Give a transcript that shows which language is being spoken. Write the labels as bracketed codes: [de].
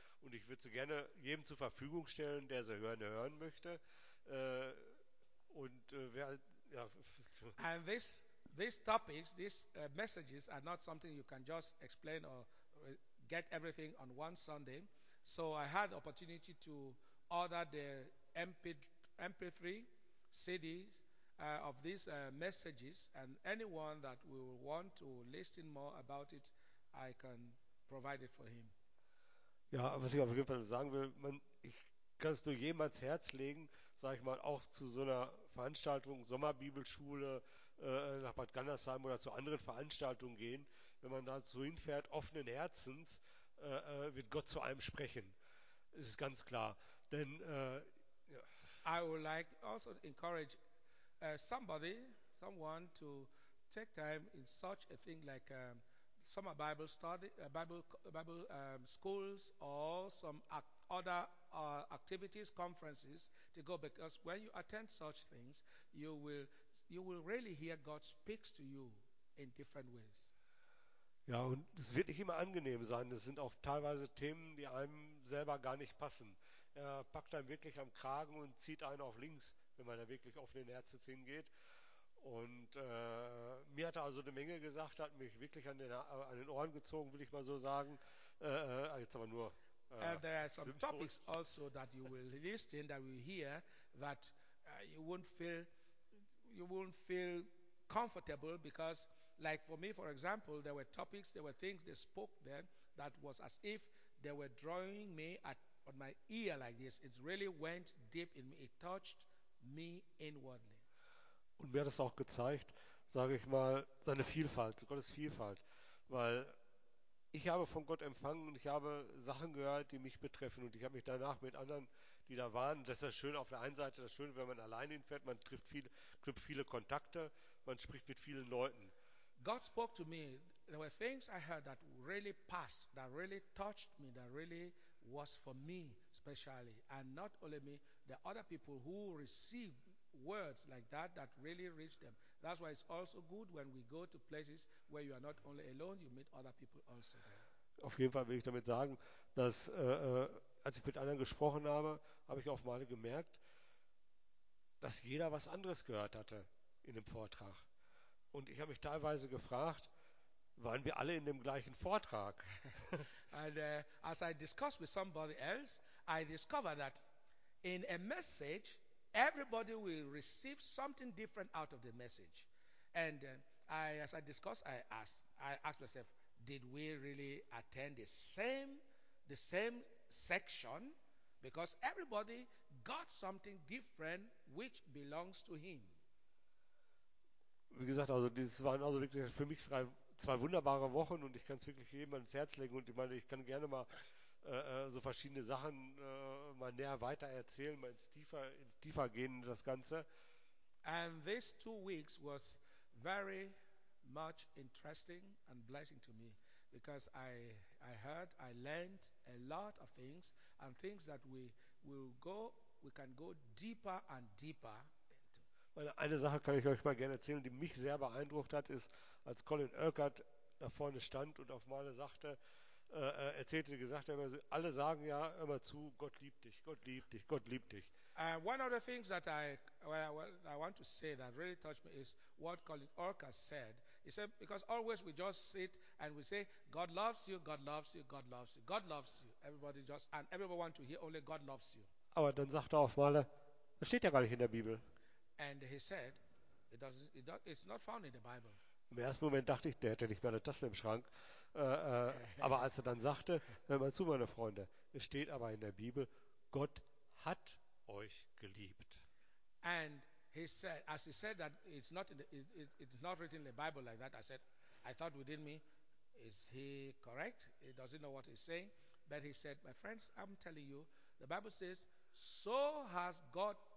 [de] Und ich würde sie gerne jedem zur Verfügung stellen, der sie hören möchte. Wer, ja, [en] And these topics, these messages are not something you can just explain or get everything on one Sunday. So I had the opportunity to order the MP3 CDs of these messages, and anyone that will want to listen more about it, I can provide it for him. [de] Ja, was ich auf jeden Fall sagen will, ich kann es nur jedem ans Herz legen, sage ich mal, auch zu so einer Veranstaltung, Sommerbibelschule, nach Bad Gandersheim oder zu anderen Veranstaltungen gehen. Wenn man da so hinfährt, offenen Herzens, wird Gott zu einem sprechen. Es ist ganz klar. Denn, ja. [en] I would like also to encourage someone to take time in such a thing like summer Bible study, Bible schools, or some ac other activities, conferences to go. Because when you attend such things, you will really hear God speaks to you in different ways. [de] Ja, und es wird nicht immer angenehm sein. Es sind auch teilweise Themen, die einem selber gar nicht passen. Er packt einen wirklich am Kragen und zieht einen auf links, wenn man da wirklich offenen Herzens hingeht. Und mir hat er also eine Menge gesagt, hat mich wirklich an den Ohren gezogen, will ich mal so sagen. Jetzt aber nur [en] There are some topics [de] symbolisch. [en] also that you will listen, that you hear, that you won't feel comfortable because, like for me, for example, there were topics, there were things they spoke then that was as if they were drawing me at on my ear like this. It really went deep in me. It touched me inwardly. [de] Und mir hat das auch gezeigt, sage ich mal, seine Vielfalt, Gottes Vielfalt. Weil ich habe von Gott empfangen und ich habe Sachen gehört, die mich betreffen. Und ich habe mich danach mit anderen, die da waren, das ist ja schön auf der einen Seite, das Schöne, wenn man allein hinfährt, man trifft knüpft viele Kontakte, man spricht mit vielen Leuten. [en] God spoke to me. There were things I heard that really passed, that really touched me, that really was for me especially. And not only me, the other people who receive words like that, that really reached them. That's why it's also good when we go to places where you are not only alone, you meet other people also there. [de] Auf jeden Fall will ich damit sagen, dass als ich mit anderen gesprochen habe, habe ich auf einmal gemerkt, dass jeder was anderes gehört hatte in dem Vortrag. Und ich habe mich teilweise gefragt, waren wir alle in dem gleichen Vortrag. [en] And as I discussed with somebody else, I discovered that in a message, everybody will receive something different out of the message. And I asked myself, did we really attend the same section? Because everybody got something different which belongs to him. [de] Wie gesagt, also dieses waren also wirklich für mich zwei wunderbare Wochen, und ich kann es wirklich jedem ans Herz legen. Und ich meine, ich kann gerne mal so verschiedene Sachen mal näher weiter erzählen, mal ins tiefer gehen in das Ganze. [en] And these 2 weeks was very much interesting and blessing to me, because I learned a lot of things, and things that we can go deeper and deeper. [de] Eine Sache kann ich euch mal gerne erzählen, die mich sehr beeindruckt hat, ist, als Colin Urquhart da vorne stand und auf meine sagte, erzählte, immer, alle sagen ja immer zu, Gott liebt dich, Gott liebt dich, Gott liebt dich. [en] One of the things that I want to say that really touched me is what Colin Urquhart said. He said, because always we just sit and we say, God loves you, God loves you, God loves you, God loves you. Everybody just, and everybody want to hear only God loves you. [de] Aber dann sagt er auf einmal, das steht ja gar nicht in der Bibel. [en] And he said, it's not found in the Bible. [de] Im ersten Moment dachte ich, der hätte nicht mehr eine Tasse im Schrank. aber als er dann sagte, hör mal zu, meine Freunde, es steht aber in der Bibel, Gott hat euch geliebt. [en] And he said, as he said that it's not written in the Bible like that, I said, I thought within me, is he correct? He doesn't know what he's saying. But he said, my friends, I'm telling you, the Bible says, so has God.